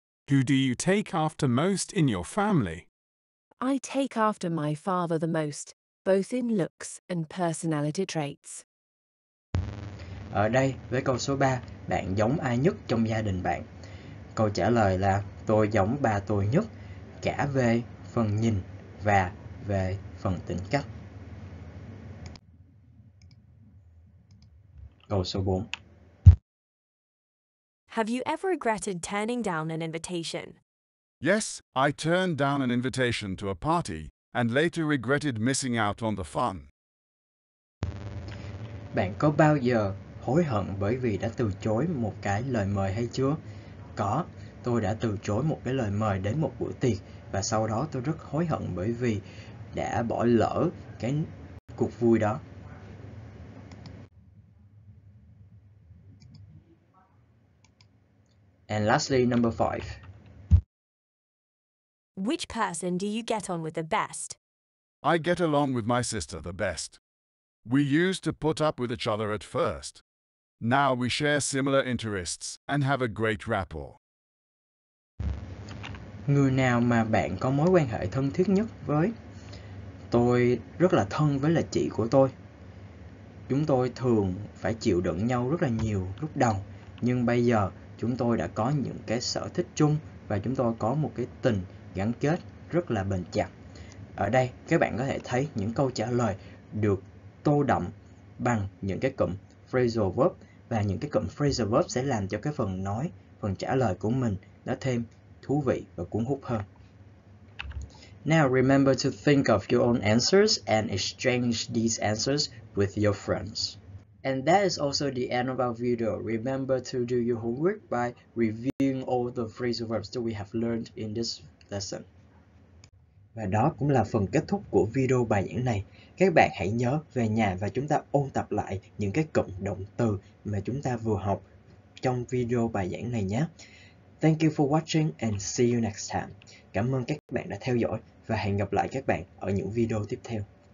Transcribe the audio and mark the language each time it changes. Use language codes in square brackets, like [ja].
[en] Who do you take after most in your family? I take after my father the most, both in looks and personality traits. [vi] Ở đây, với câu số 3, bạn giống ai nhất trong gia đình bạn? Câu trả lời là tôi giống ba tôi nhất, cả về phần nhìn và về phần tính cách. Câu số 4. [en] Have you ever regretted turning down an invitation? Yes, I turned down an invitation to a party and later regretted missing out on the fun. [vi] Bạn có bao giờ hối hận bởi vì đã từ chối một cái lời mời hay chưa? Có, tôi đã từ chối một cái lời mời đến một buổi tiệc và sau đó tôi rất hối hận bởi vì đã bỏ lỡ cái cuộc vui đó. [en] And lastly, number 5. Which person do you get on with the best? I get along with my sister the best. We used to put up with each other at first. Now we share similar interests and have a great rapport. [vi] Người nào mà bạn có mối quan hệ thân thiết nhất với? Tôi rất là thân với là chị của tôi. Chúng tôi thường phải chịu đựng nhau rất là nhiều lúc đầu, nhưng bây giờ chúng tôi đã có những cái sở thích chung và chúng tôi có một cái tình gắn kết rất là bền chặt. Ở đây, các bạn có thể thấy những câu trả lời được tô đậm bằng những cái cụm phrasal verb và những cái cụm phrasal verb sẽ làm cho cái phần nói, phần trả lời của mình nó thêm thú vị và cuốn hút hơn. [en] Now remember to think of your own answers and exchange these answers with your friends. And that is also the end of our video. Remember to do your homework by reviewing all the phrasal verbs that we have learned in this lesson. [vi] Và đó cũng là phần kết thúc của video bài giảng này. Các bạn hãy nhớ về nhà và chúng ta ôn tập lại những cái cụm động từ mà chúng ta vừa học trong video bài giảng này nhé. [en] Thank you for watching and see you next time. [vi] Cảm ơn các bạn đã theo dõi và hẹn gặp lại các bạn ở những video tiếp theo.